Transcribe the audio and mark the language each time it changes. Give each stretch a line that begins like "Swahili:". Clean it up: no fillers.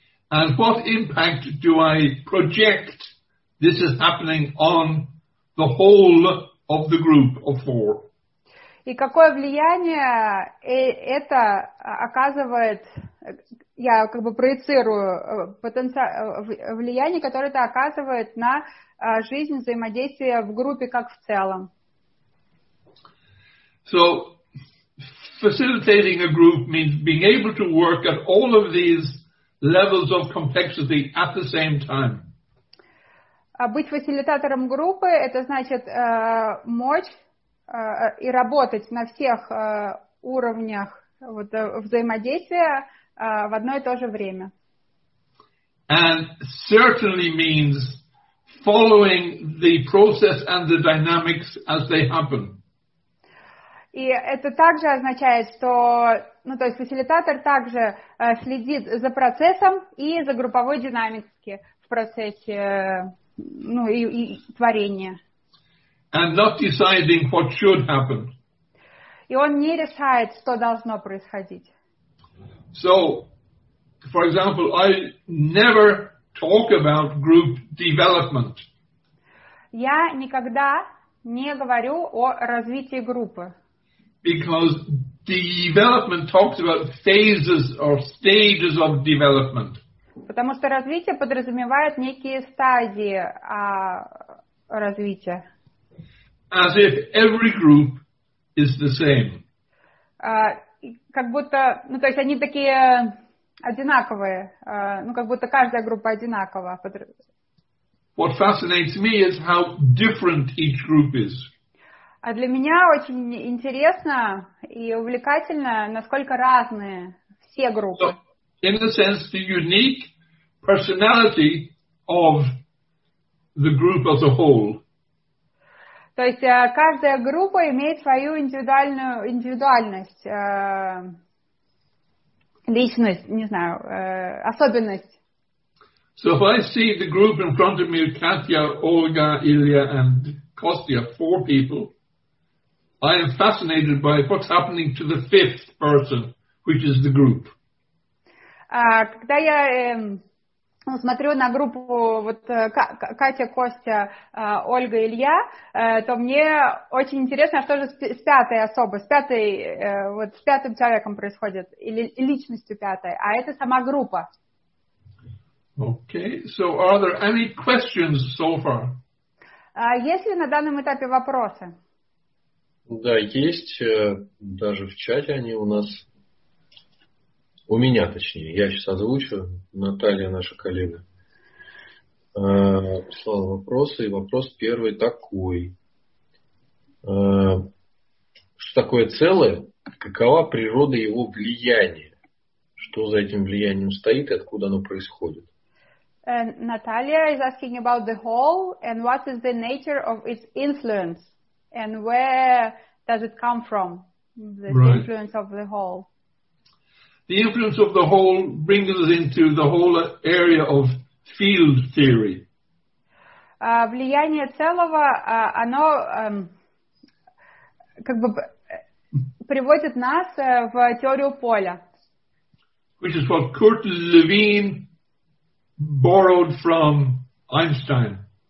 English: And what impact do I project this is happening on the whole of the group of four?
Russian: И какое влияние это оказывает, я как бы проецирую, влияние, которое это оказывает на жизнь, взаимодействие в группе как в целом.
English: So, facilitating a group means being able to work at all of these levels of complexity at the same time.
Russian: Быть фасилитатором группы, это значит мочь и работать на всех уровнях вот, взаимодействия в одно и то же время.
English: And certainly means following the process and the dynamics as they happen.
Russian: И это также означает, что, ну, то есть фасилитатор также следит за процессом и за групповой динамикой в процессе, ну, и творения.
English: And not deciding what should happen.
Russian: И он не решает, что должно происходить.
English: So, for example, I never talk about group development.
Russian: Я никогда не говорю о развитии группы.
English: Because development talks about phases or stages of development.
Russian: Потому что развитие подразумевает некие стадии развития.
English: As if every group is the same.
Russian: Как будто, ну то есть они такие одинаковые, ну как будто каждая группа одинакова.
English: What fascinates me is how different each group is.
Russian: А для меня очень интересно и увлекательно, насколько разные все группы.
English: So, in a sense, the unique personality of the group as a whole.
Russian: То есть каждая группа имеет свою индивидуальность, личность, не знаю, особенность.
English: So if I see the group in front of me, Katya, Olga, Ilya and Kostya, four people, I am fascinated by what's happening to the fifth person, which is the group.
Russian: Когда я ну, смотрю на группу вот Катя, Костя, Ольга, Илья, то мне очень интересно, что же с пятой особой, с пятой, вот с пятым человеком происходит, или личностью пятой, а это сама группа.
English: Okay, so are there any questions so far?
Russian: Есть ли на данном этапе вопросы? Да, есть, даже в чате они у нас. У меня, точнее. Я сейчас озвучу. Наталья, наша коллега, прислала вопросы. И вопрос первый такой. Что такое целое? Какова природа его влияния? Что за этим влиянием стоит и откуда оно происходит?
English: Наталья is asking about the whole and what is the nature of its influence and where does it come from, the right. influence of the whole. The influence of the whole brings us into the whole area of field theory.
Russian: влияние целого, оно как бы приводит нас в теорию поля.
English: Which is what Kurt Lewin borrowed from Einstein.